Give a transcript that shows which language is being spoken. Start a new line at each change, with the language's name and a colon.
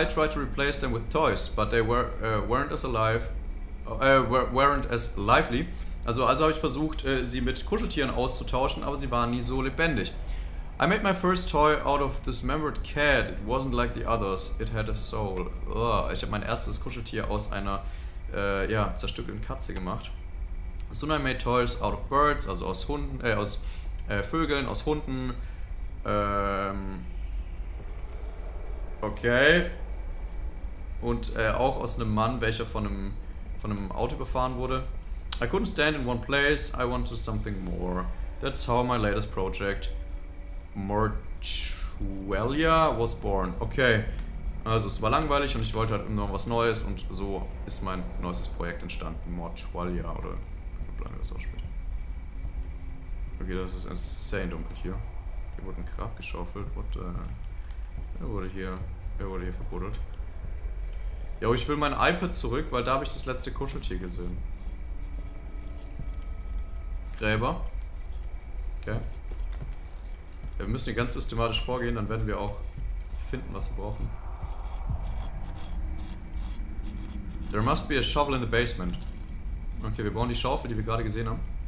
English: I tried to replace them with toys, but they were, weren't as lively.
German: Also habe ich versucht, sie mit Kuscheltieren auszutauschen, aber sie waren nie so lebendig.
English: I made my first toy out of dismembered cat. It wasn't like the others. It had a soul. Ugh.
German: Ich habe mein erstes Kuscheltier aus einer zerstückelten Katze gemacht.
English: Soon I made toys out of birds,
German: also aus Hunden, Vögeln, aus Hunden.
English: Okay.
German: Und auch aus einem Mann, welcher von einem Auto überfahren wurde.
English: I couldn't stand in one place. I wanted something more. That's how my latest project, Mortuelia, was born. Okay.
German: Also es war langweilig und ich wollte halt immer was Neues und so ist mein neuestes Projekt entstanden. Mortuelia, oder wie man das ausspricht. Okay, das ist insane dunkel hier. Hier wurde ein Grab geschaufelt und er wurde hier verbuddelt. Ja, ich will mein iPad zurück, weil da habe ich das letzte Kuscheltier gesehen. Gräber. Okay. Ja, wir müssen hier ganz systematisch vorgehen, dann werden wir auch finden, was wir brauchen.
English: There must be a shovel in the basement.
German: Okay, wir bauen die Schaufel, die wir gerade gesehen haben.